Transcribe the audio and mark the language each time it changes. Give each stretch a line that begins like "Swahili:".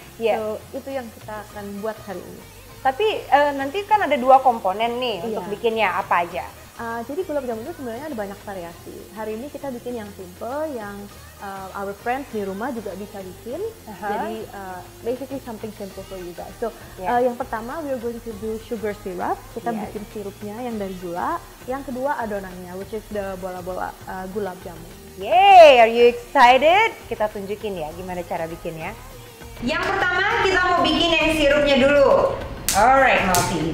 Indonesian: So itu yang kita akan buat hari ini. Tapi nanti kan ada dua komponen nih untuk bikinnya, apa aja? Jadi gulab jamun itu sebenarnya ada banyak variasi. Hari ini kita bikin yang simple, yang
English: our friends
Indonesian: di rumah juga bisa bikin.
English: Jadi basically something simple for you guys. So
Indonesian: yang pertama
English: we are going to do sugar syrup.
Indonesian: Kita bikin sirupnya yang dari gula. Yang kedua adonannya,
English: which is the
Indonesian: bola-bola gulab jamun.
English: Yay, are you excited?
Indonesian: Kita tunjukin ya gimana cara bikinnya. Yang pertama kita mau bikin yang sirupnya dulu. Alright, Malti.